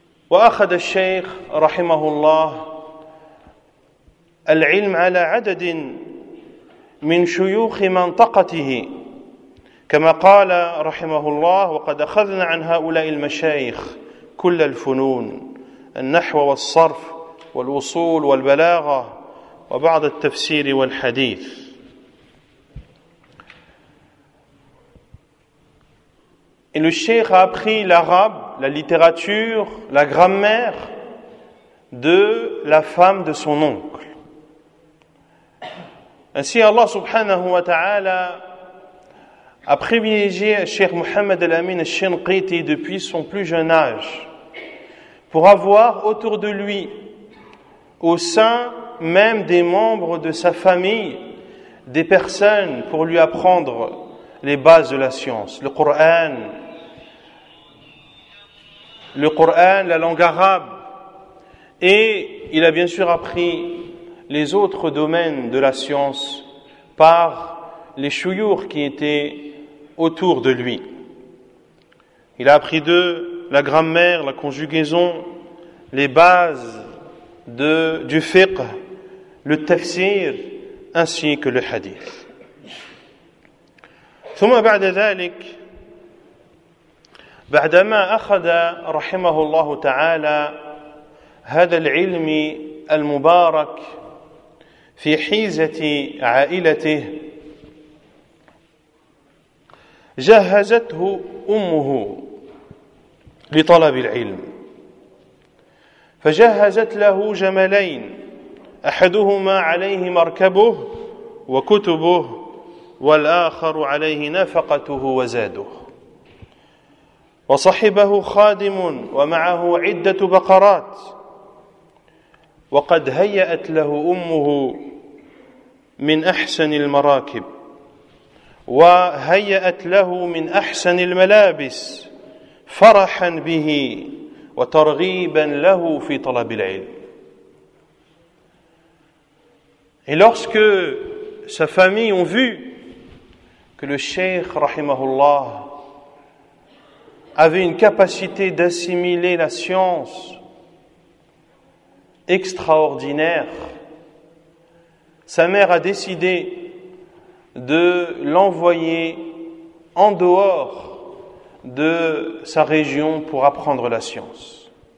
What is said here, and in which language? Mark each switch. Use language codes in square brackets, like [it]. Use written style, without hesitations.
[ar] وأخذ الشيخ رحمه الله العلم على عدد من شيوخ منطقته كما قال رحمه الله وقد أخذنا عن هؤلاء المشايخ كل الفنون النحو والصرف والوصول والبلاغة وبعض التفسير والحديث. [fr] Et le cheikh a appris l'arabe, la littérature, la grammaire de la femme de son oncle. Ainsi Allah [ar] subhanahu wa ta'ala [fr] a privilégié Cheikh Mohamed Al-Amin Al-Shinqiti depuis son plus jeune âge pour avoir autour de lui, au sein même des membres de sa famille, des personnes pour lui apprendre les bases de la science, le Coran, la langue arabe, et il a bien sûr appris les autres domaines de la science par les chouyours qui étaient autour de lui. Il a appris d'eux la grammaire, la conjugaison, les bases du fiqh, le tafsir, ainsi que le hadith. [ar] ثم بعد ذلك بعدما أخذ رحمه الله تعالى هذا العلم المبارك في حيزة عائلته جهزته أمه لطلب العلم فجهزت له جملين أحدهما عليه مركبه وكتبه والآخر عليه نفقته وزاده وصحبه خادم ومعه عدة بقرات وقد هيأت له أمه من أحسن المراكب وهيأت له من أحسن الملابس فرحا به وترغيبا له في طلب العلم. [fr] Et lorsque sa famille ont vu que le cheikh rahimahullah avait une capacité d'assimiler la science extraordinaire, sa mère a décidé de l'envoyer en dehors de sa région pour apprendre la science.